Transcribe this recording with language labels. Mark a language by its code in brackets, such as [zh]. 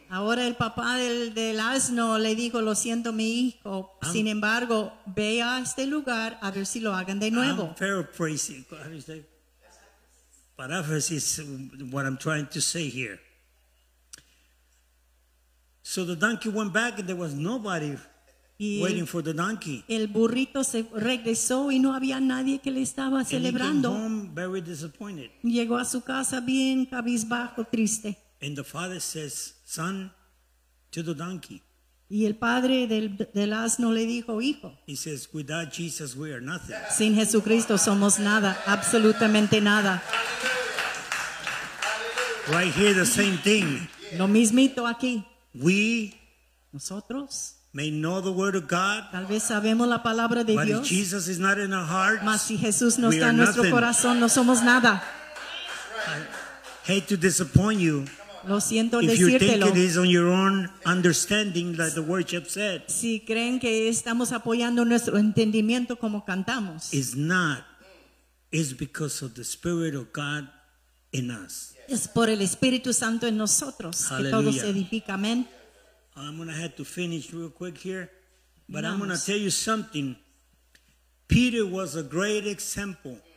[es] Ahora el papá del asno le dijo, lo siento, mi hijo. Sin embargo, ve a este lugar a ver si lo hagan de nuevo. [en] I'm paraphrasing. How do you say? Paraphrasis what I'm trying to say here. So the donkey went back and there was nobody waiting for the donkey. [es] El burrito se regresó y no había nadie que le estaba celebrando. [en] And he came home very disappointed. [es] Llegó a su casa bien cabizbajo, triste. [en] And the father says, son, to the donkey. [es] Y el padre del asno le dijo, hijo. [en] He says, without Jesus we are nothing. [es] Sin Jesucristo somos nada, absolutamente nada. [en] Right here the same thing. [es] Lo mismito aquí. [en] We. [es] Nosotros. [en] May know the word of God. [es] Tal vez sabemos la palabra de [en] but [es] Dios. [en] If Jesus is not in our hearts, [es] mas si Jesús no está en nuestro corazón, no somos nada. [en] I hate to disappoint you. [es] Lo siento [en] if [es] decírtelo. [en] You think it is on your own understanding, like the worship said. [es] Si creen que estamos apoyando nuestro entendimiento como cantamos. [en] It's not. It's because of the Spirit of God in us. [es] Es por el Espíritu Santo en nosotros. [en] Hallelujah. [es] Que todo se edifica. Amén. [en] I'm going to have to finish real quick here. But I'm going to tell you something. Peter was a great example.